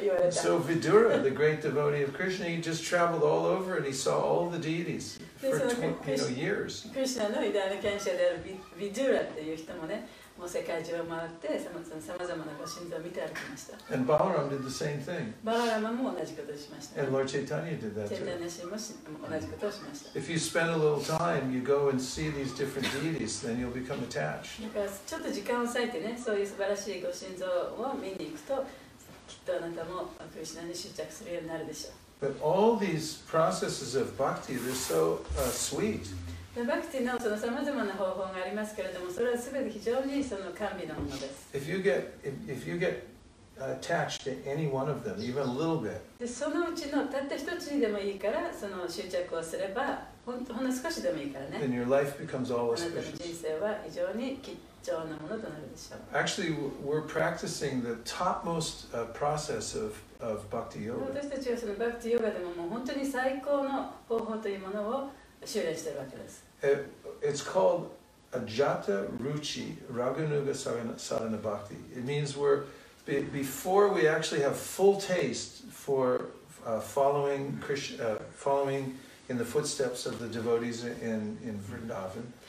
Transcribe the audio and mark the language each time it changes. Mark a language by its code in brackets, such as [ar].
[en] So Vidura, the great devotee of Krishna, he just traveled all over and he saw all the deities for years. [ja] Krishna の偉大な権威であるVidura っていう人もね、もう世界中を回ってさまざまなご神像を見て歩きました。 [en] And Balaram did the same thing. [ja] Balaram も同じことをしました。 [en] And Lord Chaitanya did that too. [ja] Chaitanya も同じことをしました。 [en] If you spend a little time, you go and see these different deities, then you'll become attached. [ja] だからちょっと時間を割いてね、そういう素晴らしいご神像を見に行くと、きっとあなたもクリシナに執着するようになるでしょう。 [en] But all these processes of bhakti, they're so sweet. [ja] バクティのそのさまざまな方法がありますけれども、それはすべて非常にその甘美なものです。 [en] If you get attached to any one of them, even a little bit. [ja] でそのうちのたった一つにでもいいからその執着をすれば、ほんの少しでもいいからね。 [en] Then your life becomes all auspicious. [ja] あなたの人生は非常に貴重なものとなるでしょう。 [en] Actually, we're practicing the topmost process of bhakti yoga. [ja] 私たちはそのバクティヨガでももう本当に最高の方法というものを [en] It's called Ajata Ruchi Raghunuga Sadhana Bhakti. It means we're before we actually have full taste for following Krishna, following in the footsteps of the devotees in Vrindavan.